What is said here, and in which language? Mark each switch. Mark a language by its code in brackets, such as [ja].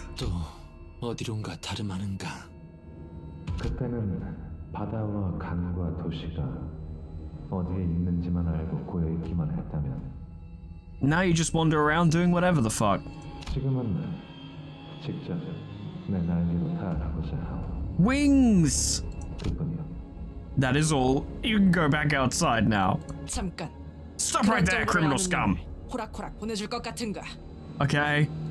[ko] 또 어디론가 다름 아닌가. 그때는 바다와 강과 도시가 어디에 있는지만 알고 고여 있기만 했다면. [en] Now you just wander around doing whatever the fuck. [ko] 지금은 직접 내 날개로 타보자. [en] Wings. That is all. You can go back outside now. [ko] 잠깐. [en] Stop right there, criminal scum. [ko] 호락호락 보내줄 것 같은가? [en] Okay.